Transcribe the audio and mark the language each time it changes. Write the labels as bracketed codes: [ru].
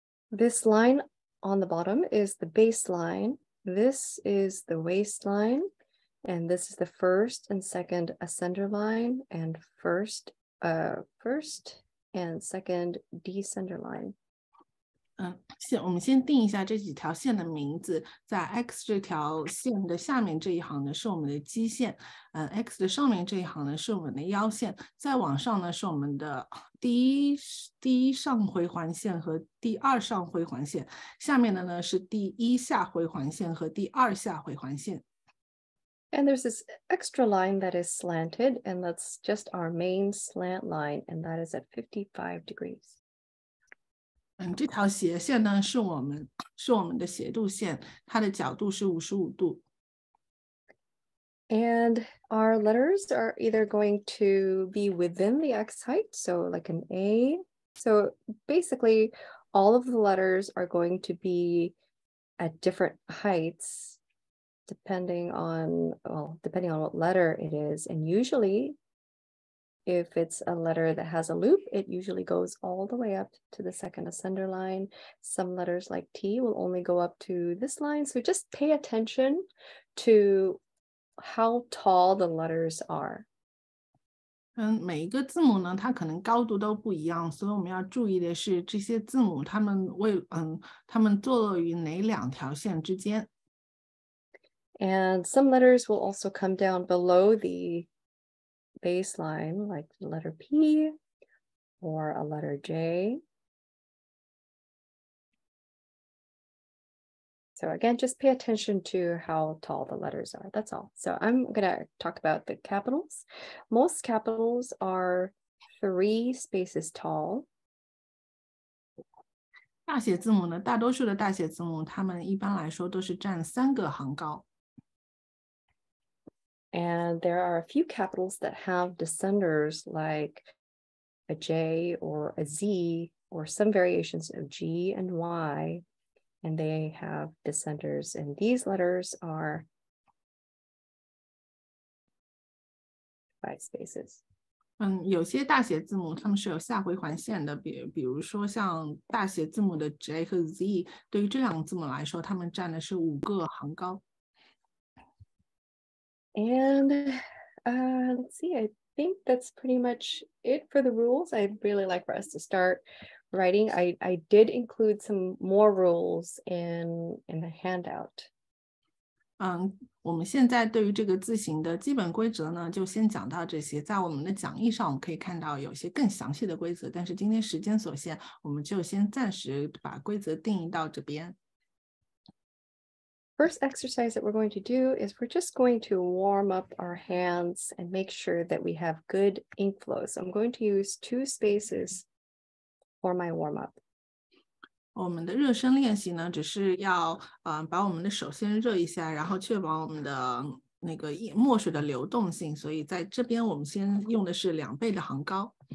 [en] This line on the bottom is the baseline. This is the waistline. And this is the first and second ascender line, and first and second descender line. [zh] 我们先定一下这几条线的名字。在 X 这条线的下面这一行呢，是我们的基线。 X 的上面这一行呢，是我们的腰线。再往上呢，是我们的第一上回环线和第二上回环线。下面的呢，是第一下回环线和第二下回环线。 [en] And there's this extra line that is slanted, and that's just our main slant line, and that is at 55 degrees. [zh] 这条斜线呢，是我们的斜度线，它的角度是55度。 [en] And our letters are either going to be within the X height, so like an A. So basically, all of the letters are going to be at different heights. Depending on what letter it is. And usually, if it's a letter that has a loop, it usually goes all the way up to the second ascender line. Some letters like T will only go up to this line. So just pay attention to how tall the letters are. [zh] 每一个字母呢，它可能高度都不一样，所以我们要注意的是这些字母，它们坐落于哪两条线之间。 [en] And some letters will also come down below the baseline, like the letter P or a letter J. So again, just pay attention to how tall the letters are. That's all. So I'm gonna talk about the capitals. Most capitals are three spaces tall. [zh] 大写字母呢，大多数的大写字母，它们一般来说都是占三个行高。 [en] And there are a few capitals that have descenders like a J or a Z or some variations of G and Y, and they have descenders. And these letters are five spaces. [zh] 有些大写字母它们是有下回环线的，比如说像大写字母的 J 和 Z，对于这两个字母来说，它们占的是五个行高。 [en] And let's see, I think that's pretty much it for the rules. I'd really like for us to start writing, I did include some more rules in the handout. [zh] 我们现在对于这个字形的基本规则呢，就先讲到这些。在我们的讲义上，我们可以看到有些更详细的规则，但是今天时间所限，我们就先暂时把规则定义到这边。 [en] First exercise that we're going to do is we're just going to warm up our hands and make sure that we have good ink flow. So I'm going to use two spaces for my warm up. [zh] 我们的热身练习呢，只是要把我们的手先热一下，然后确保我们的那个墨水的流动性。所以在这边我们先用的是两倍的行膏。